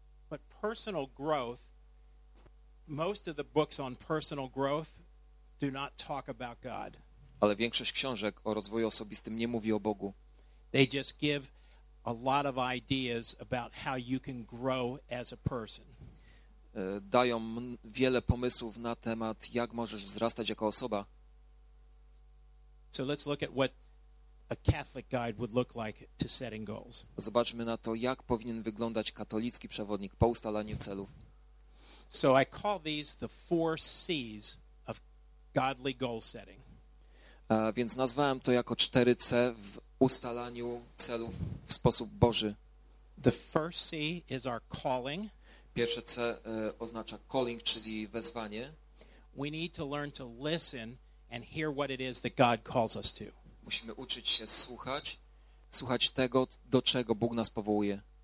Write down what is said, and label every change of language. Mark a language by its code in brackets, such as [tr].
[en] But personal growth, most of the books on personal growth do not talk about God. [pl] Ale większość książek o rozwoju osobistym nie mówi o Bogu. [en] They just give a lot of ideas about how you can grow as a person. [pl] Dają wiele pomysłów na temat, jak możesz wzrastać jako osoba. [en] So let's look at what a Catholic guide would look like to setting goals. [pl] Zobaczmy na to, jak powinien wyglądać katolicki przewodnik po ustalaniu celów. [en] So I call these the four C's of godly goal setting. [pl] Więc nazwałem to jako 4C w ustalaniu celów w sposób Boży. [en] The first C is our calling. [pl] Pierwsze C oznacza calling, czyli wezwanie. [en] We need to learn to listen and hear what it is that God calls us to. [pl] Musimy uczyć się słuchać tego, do czego Bóg nas powołuje.